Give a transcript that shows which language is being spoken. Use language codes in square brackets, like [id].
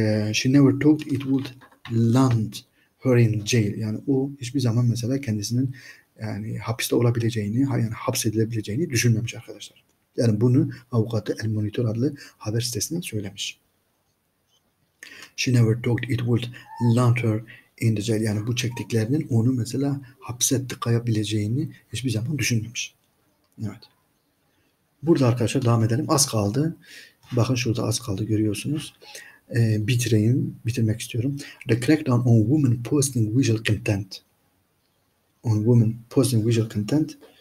[en] She never thought it would land her in jail. [tr] Yani o hiçbir zaman mesela kendisinin yani hapiste olabileceğini, yani hapsedilebileceğini düşünmemiş arkadaşlar. Yani bunu avukatı El Monitor adlı haber sitesinden söylemiş. [en] She never thought it would land her in the jail. [tr] Yani bu çektiklerinin onu mesela hapse tıkayabileceğini hiçbir zaman düşünmemiş. Evet. Burada arkadaşlar devam edelim. Az kaldı. Bakın şurada az kaldı görüyorsunuz. Bitireyim. Bitirmek istiyorum. [en] The crackdown on women posting visual content. On women posting visual content.